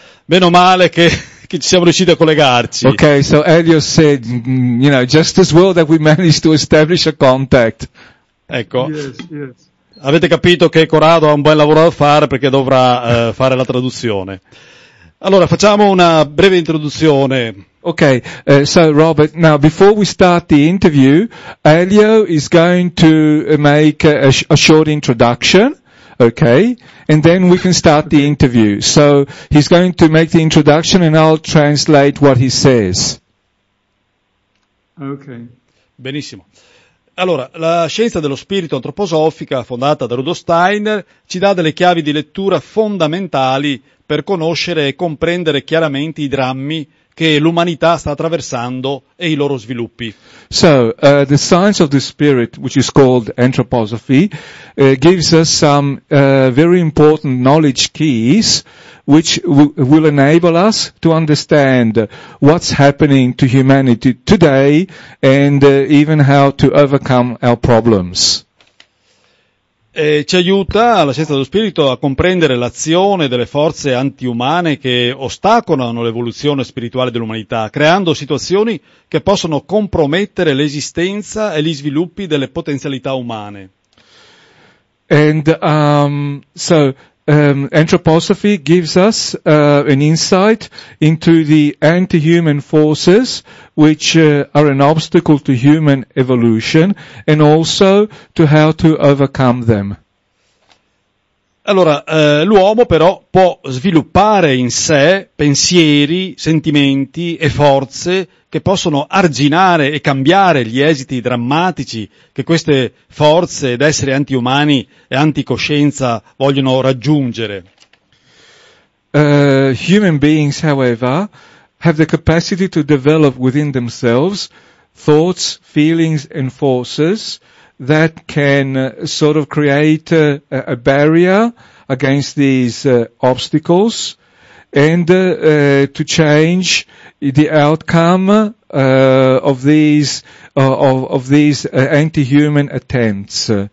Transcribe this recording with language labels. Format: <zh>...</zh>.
<it>Meno male che ci siamo riusciti a collegarci.</it> <en>Okay, so Elio said, just as well that we managed to establish a contact.</en> <it>Ecco,</it> <en>Yes.</en> <it>avete capito che Corrado ha un bel lavoro da fare perché dovrà fare la traduzione. Allora, facciamo una breve introduzione.</it> <en>Okay, so Robert, now before we start the interview, Elio is going to make a short introduction, okay, and then we can start the Okay. interview. So he's going to make the introduction and I'll translate what he says. Okay.</en> <it>Benissimo. Allora, la scienza dello spirito antroposofica, fondata da Rudolf Steiner, ci dà delle chiavi di lettura fondamentali per conoscere e comprendere chiaramente i drammi che l'umanità sta attraversando e i loro sviluppi.</it> <en>So, the science of the spirit, which is called anthroposophy, gives us some very important knowledge keys which will enable us to understand what's happening to humanity today and even how to overcome our problems.</en> <it>Ci aiuta la scienza dello spirito a comprendere l'azione delle forze antiumane che ostacolano l'evoluzione spirituale dell'umanità, creando situazioni che possono compromettere l'esistenza e gli sviluppi delle potenzialità umane.</it> <en>And anthroposophy gives us an insight into the anti-human forces which are an obstacle to human evolution and also to how to overcome them.</en> <it>Allora, l'uomo però può sviluppare in sé pensieri, sentimenti e forze che possono arginare e cambiare gli esiti drammatici che queste forze ed esseri antiumani e anticoscienza vogliono raggiungere.</it> <en>Human beings, however, have the capacity to develop within themselves thoughts, feelings, and forces that can sort of create a barrier against these obstacles and to change the outcome of these anti-human attempts.</en>